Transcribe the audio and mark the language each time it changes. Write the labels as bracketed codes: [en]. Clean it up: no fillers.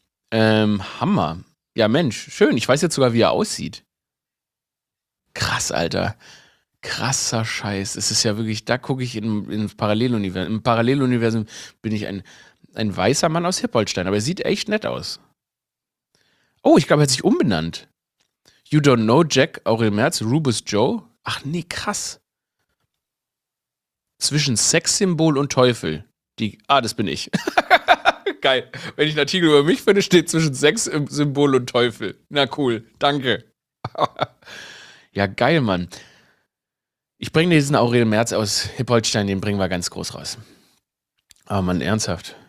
[de] Hammer. Ja, Mensch, schön. Ich weiß jetzt sogar, wie er aussieht. Krass, Alter. Krasser Scheiß. Es ist ja wirklich, da gucke ich ins Paralleluniversum. Im Paralleluniversum bin ich ein weißer Mann aus Hippolstein, aber er sieht echt nett aus. Oh, ich glaube, er hat sich umbenannt. [en] You don't know Jack Aurel Merz, Rubus Joe? [de] Ach nee, krass. Zwischen Sexsymbol und Teufel. Das bin ich. Geil. Wenn ich einen Artikel über mich finde, steht zwischen Sexsymbol und Teufel. Na cool, danke. Ja, geil, Mann. Ich bringe diesen Aurel Merz aus Hippolstein, den bringen wir ganz groß raus. Oh Mann, ernsthaft.